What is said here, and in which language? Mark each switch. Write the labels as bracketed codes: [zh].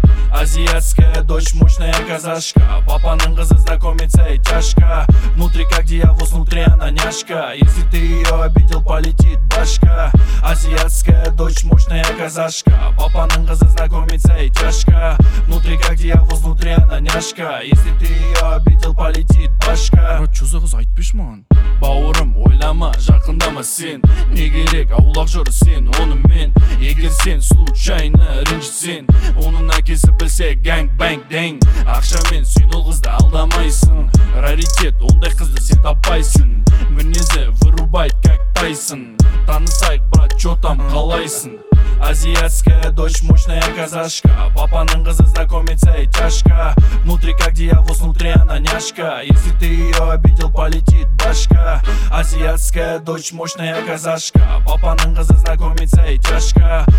[ru] Азиатская дочь, мощная казашка. [kk] Папаның қызы [ru] знакомится и тяжко. Внутри как дьявол, снутри она няшка. Если ты ее обидел, полетит башка. Азиатская дочь, мощная казашка. [kk] Папаның қызы [ru] знакомится и тяжко. Внутри как дьявол, снутри она няшка. Если ты ее обидел, полетит башка. [kk] Брат, [ru] че за [kk] қыз айтпеш маған? Бауырым, ойлама, жақындама сен. Не керек, аулақ жүр сен, оны мен. Егер сен случайно ренжісен, оның әкесі білсе гэнг бэнг дэнг. Ақшамен сен ол қызды алдамайсың. Раритет, ондай қызды сен таппайсың. Мінезі [ru] вырубайт, как Тайсон. [kk] Танысайық, брат, [ru] чё там [kk] қалайсың? [ru] Азиатская дочь, мощная казашка. [kk] Папаның қызы [ru] знакомится и тяжко. Внутри как дьявол, снутри она няшка. Если ты ее обидел, полетит башка. Азиатская дочь, мощная казашка. [kk] Папаның қызы [ru] знакомится и тяжко.